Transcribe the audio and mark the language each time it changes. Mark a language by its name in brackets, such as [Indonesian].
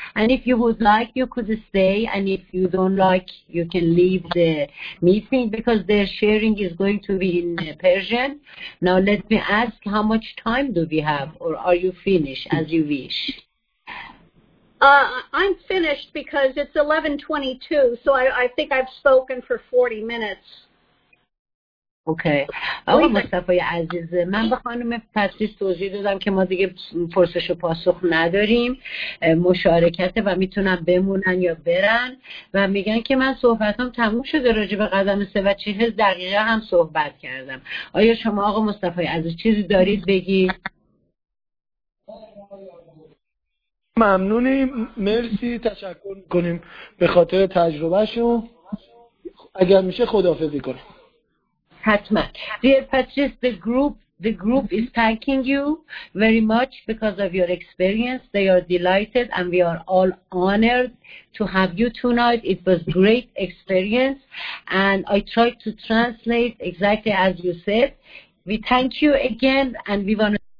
[English] And if you would like you could stay and if you don't like you can leave the meeting because their sharing is going to be in Persian. Now let me ask how much time do we have or are you finished as you wish? I'm finished because it's 11:22 so I think I've spoken for 40 minutes. [Persian] اوکی. آقا مصطفی عزیز من به خانم پتریس توضیح دادم که ما دیگه پرسش و پاسخ نداریم، مشارکته و میتونن بمونن یا برن و میگن که من صحبتم تموم شده راجع به قدم سه و 40 دقیقه هم صحبت کردم. آیا شما آقا مصطفی عزیز چیزی دارید بگید؟ ممنونیم، مرسی، تشکر میکنیم به خاطر تجربه شو، اگر میشه خداحافظی کنیم. حتما. [English] Dear Patrice, the group is thanking you very much because of your experience. They are delighted and we are all honored to have you tonight. It was great experience and I tried to translate exactly as you said. We thank you again and we want to